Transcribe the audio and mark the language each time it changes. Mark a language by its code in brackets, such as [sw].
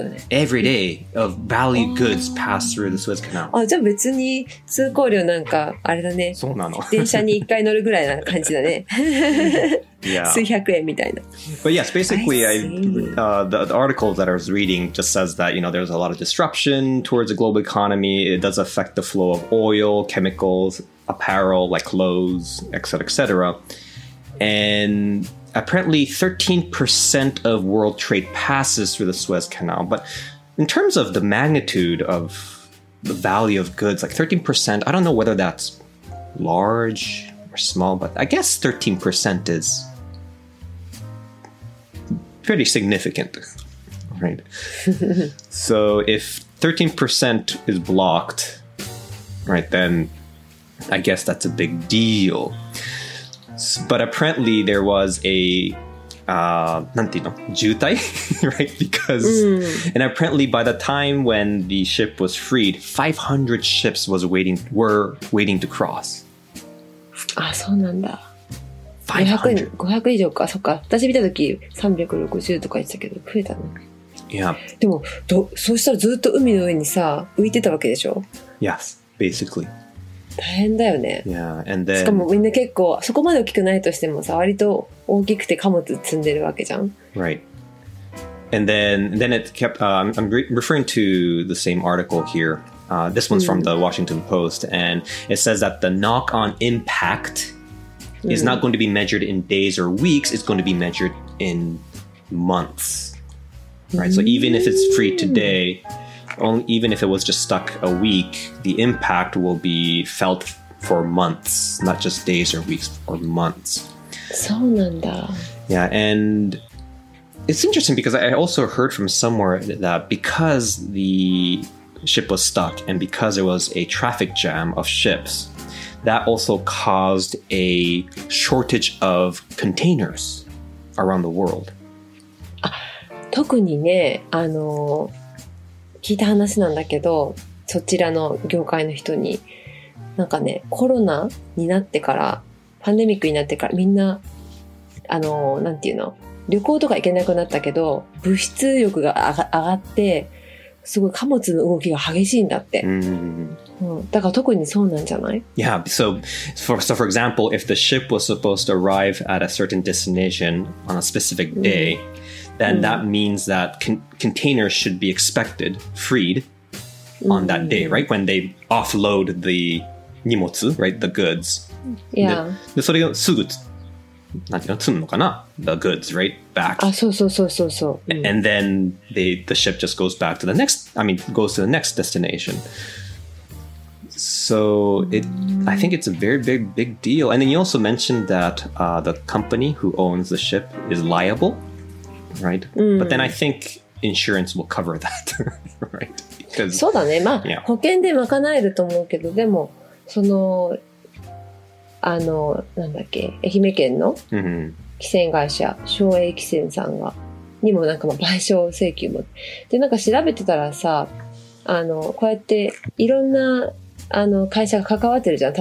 [en] Every day of value goods pass through the Suez Canal. [ja] あ、じゃあ別に通行料なんかあれだね。そうなの。電車に1回乗るぐらいな感じだね。 [en] Yeah. [ja] 数百円みたいな。 [en] But yes, basically, the article that I was reading just says that, you know, there's a lot of disruption towards the global economy. It does affect the flow of oil, chemicals, apparel, like clothes, etc., etc. And apparently 13% of world trade passes through the Suez Canal. But in terms of the magnitude of the value of goods, like 13%, I don't know whether that's large or small, but I guess 13% is pretty significant, right? So if 13% is blocked, right, then I guess that's a big deal. But apparently there was a, jutai, right? Because, and apparently by the time when the ship was freed, 500 ships were waiting to cross. [ja] Ah, so nanda. 500 以上か、そっか。私見た時360とか言ってたけど、増えたね。 [en] Yeah. [ja] でも、そうしたらずっと海の上にさ、浮いてたわけでしょ？ [en] Yes, basically. [ja] 大変だよね。 [en] Yeah, and then, [ja] しかもみんな結構そこまで大きくないとしてもさ、割と大きくて貨物積んでるわけじゃん。 [en] Right. And then it kept, I'm referring to the same article here. This one's from the Washington Post, and it says that the knock-on impact is not going to be measured in days or weeks, it's going to be measured in months. Right, so even if it's free today,even if it was just stuck a week, the impact will be felt for months, not just days or weeks, or months. [ja] そうなんだ。 [en] Yeah, and it's interesting because I also heard from somewhere that because the ship was stuck and because it was a traffic jam of ships, that also caused a shortage of containers around the world. [ja] 特にね、聞いた話なんだけど、そちらの業界の人に、なんかね、コロナになってから、パンデミックになってから、みんな、なんていうの、旅行とか行けなくなったけど、物質欲が上がって、すごい貨物の動きが激しいんだって。うん、だから特にそうなんじゃない？ [en] Yeah, so for example, if the ship was supposed to arrive at a certain destination on a specific day,then that means that containers should be expected, freed, on that day, right? When they offload the 荷物, right? The goods. Yeah. [ja] で、それがすぐ、なんていうの、積むのかな? [en] The goods, right? Back. [ja] あ、そうそうそうそうそう。 [en] And then the ship just goes back to the next, I mean, goes to the next destination. So, I think it's a very big, big deal. And then you also mentioned that the company who owns the ship is liable. Right? But then I think insurance will cover that, right? Because, [ja] そうだね。まあ、 [en] yeah. [ja] 保険で賄えると思うけど、でも、その、なんだっけ、愛媛県の汽船会社、正栄汽船さんが、にもなんかまあ賠償請求も。で、なんか調べてたらさ、こうやっていろんな、会社が関わってるじゃん。